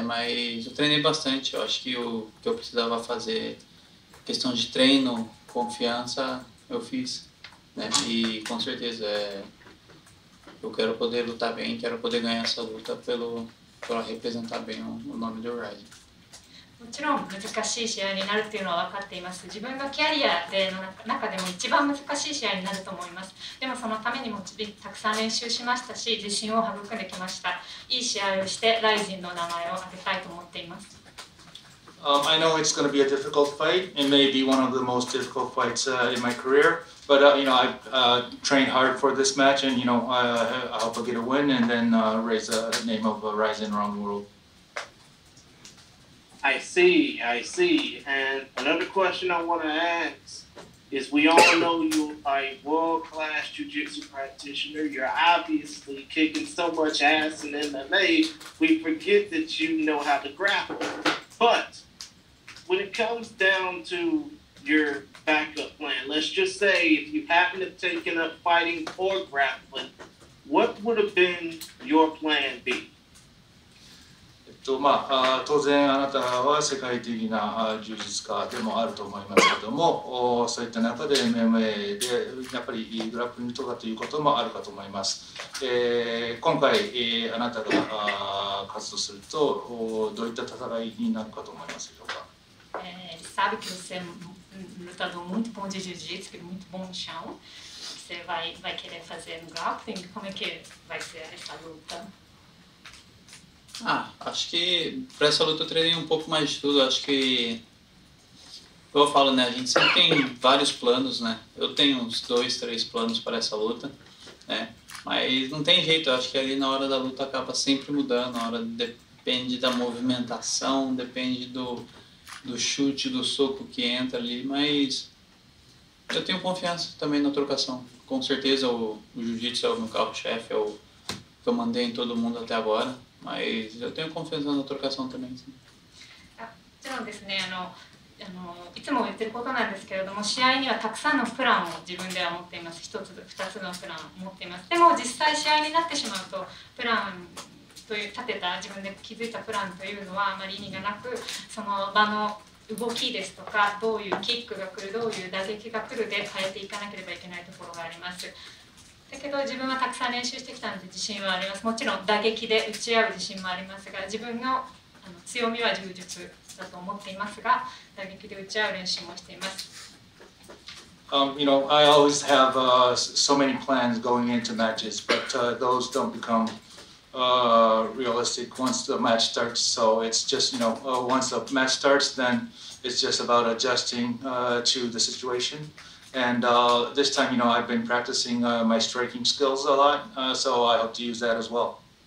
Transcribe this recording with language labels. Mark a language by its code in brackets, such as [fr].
[pt] Mas eu treinei bastante. Eu acho que o que eu precisava fazer, questão de treino, confiança, eu fiz. Né? E com certeza, eu quero poder lutar bem, quero poder ganhar essa luta por representar bem o nome do RIZIN. [ja] もちろん難しい試合になるというのは分かっています。自分のキャリアでの中でも一番難しい試合になると思います。でもそのためにもたくさん練習しましたし、自信を育んできました。いい試合をして、RIZINの名前を挙げたいと思っています。 [en] I know it's going to be a difficult fight. It may be one of the most difficult fights in my career. But, you know, I've trained hard for this match and, you know, I hope I'll get a win and then raise the name of RIZIN around the world. I see. And another question I want to ask is, we all know you are a world-class jiu-jitsu practitioner. You're obviously kicking so much ass in MMA, we forget that you know how to grapple. But when it comes down to your backup plan, let's just say if you happen to have taken up fighting or grappling, what would have been your plan B? [ja] まあ、当然あなたは世界的な柔術家でもあると思いますけども、そういった中で MMA でやっぱりグラップリングとかということもあるかと思います。今回あなたが活動するとどういった戦いになるかと思いますでしょうか。 [pt] Sabe que você é um lutador muito bom de jiu-jitsu, que é muito bom no chão. Você vai querer fazer um grappling? Como é que vai ser essa luta? Ah, acho que para essa luta eu treinei um pouco mais de tudo. Acho que, como eu falo, né, a gente sempre tem vários planos, né? Eu tenho uns dois, três planos para essa luta, né? Mas não tem jeito, eu acho que ali na hora da luta acaba sempre mudando. Na hora depende da movimentação, depende do chute, do soco que entra ali. Mas eu tenho confiança também na trocação. Com certeza o jiu-jitsu é o meu carro-chefe, é o que eu mandei em todo mundo até agora. Mas eu tenho confiança na trocação também, sim. [ja] もちろんですね、いつも言ってることなんですけれども、試合にはたくさんのプランを自分では持っています。一つ、二つのプランを持っています。でも実際試合になってしまうと、プランという立てた、自分で築いたプランというのはあまり意味がなく、その場の動きですとか、どういうキックが来る、どういう打撃が来るで変えていかなければいけないところがあります。だけど自分はたくさん練習してきたので自信はあります。もちろん打撃で打ち合う自信もありますが、自分の強みは柔術だと思っていますが、打撃で打ち合う練習もしています。 [en] You know, I always have so many plans going into matches, but those don't become realistic once the match starts. So it's just, you know, once the match starts, then it's just about adjusting to the situationAnd this time, you know, I've been practicing my striking skills a lot, so I hope to use that as well.